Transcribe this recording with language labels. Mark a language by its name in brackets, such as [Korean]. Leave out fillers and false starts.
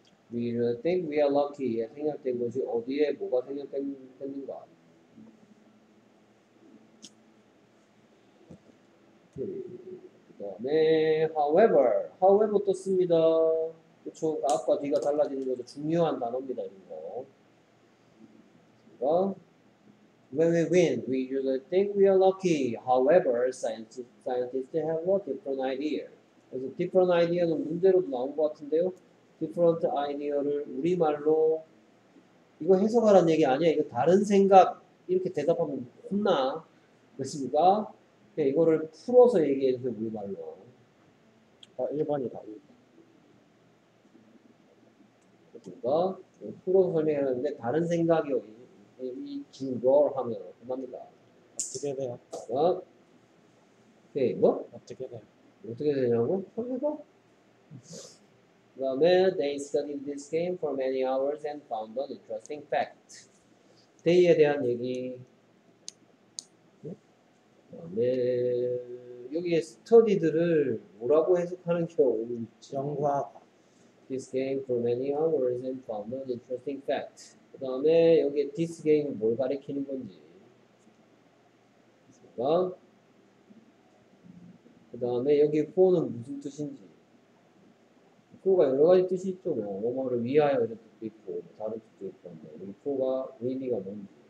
[English] we usually think we are lucky [Korean] 생략된 것이 어디에 뭐가 생략됐는가. 그 다음에 however. however 또 씁니다. 그쵸. 앞과 뒤가 달라지는 것도 중요한 단어입니다. 이런 거. 그러니까, [English] when we win, we usually think we are lucky. however, scientists have a different idea. [Korean] 그래서 [English] different idea [Korean] 는 문제로도 나온 것 같은데요. different idea를 우리말로 이거 해석하라는 얘기 아니야. 이거 다른 생각 이렇게 대답하면 혼나. 그렇습니까? 네, 이거를 풀어서 얘기해 주세요, 우리말로. 아, 1번이다, 1번. 풀어서 설명해 놨는데, 다른 생각이 여기 이 줄걸 하면 끝납니다. 어떻게 돼요? 어? 오케이, 뭐? 어떻게 돼요? 어떻게 되냐고? 그래서? 그다음에 [English] they studied this game for many hours and found an interesting fact. [Korean] 데이에 대한 얘기. 그다음에 여기에 스터디드를 뭐라고 해석하는 경우? 연구학. [English] This game for many hours and found an interesting fact. [Korean] 그다음에 여기에 [English] this game [Korean] 은 뭘 가리키는 건지. 그다음에 그다음에 여기 for는 무슨 뜻인지. for가 여러 가지 뜻이 있죠. 뭐 뭐를 위하여 이런 뜻도 있고 뭐 다른 뜻도 있고 한데 이 for가 의미가 뭔지.